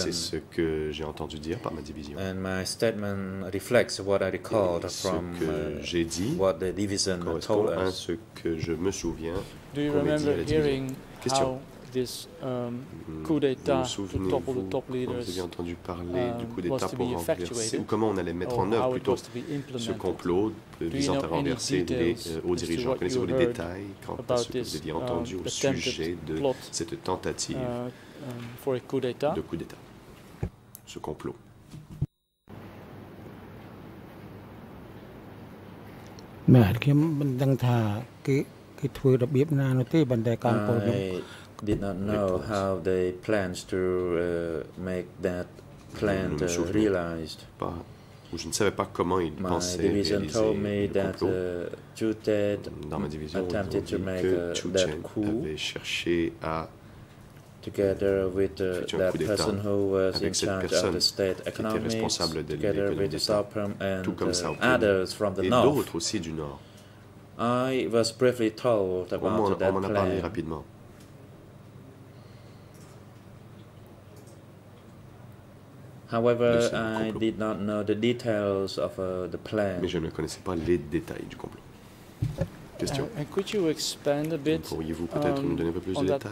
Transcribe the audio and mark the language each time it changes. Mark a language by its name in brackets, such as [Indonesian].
[French] C'est ce que j'ai entendu dire par ma division. [English] And my statement reflects what I recalled from what the division told us. [French] Ce que je me souviens. [English] Do you remember hearing how this coup d'état to topple the top leaders. [French] Vous avez entendu parler du coup d'état pour renverser, ou comment on allait mettre en œuvre plutôt ce complot visant à renverser les hauts dirigeants. Connaissez-vous les détails quant à ce que vous aviez entendu au sujet de cette tentative [English] for a coup d'état? [French] De coup d'état, ce complot? [English] I did not know how they planned to make that plan realized. [French] Je ne savais pas comment ils pensaient réaliser le complot. Dans ma division, ils ont dit que Chutet avait cherché à [English] together with that person who was in charge of the state economy, together with the top and others from the north. [French] Aussi du nord. [English] I was briefly told about that plan. [French] On en a parlé rapidement. [English] However, I did not know the details of the plan. [French] Mais je ne connaissais pas les détails du complot. [English] Question. And could you expand a bit? [French] Pourriez-vous peut-être nous donner un peu plus de détails?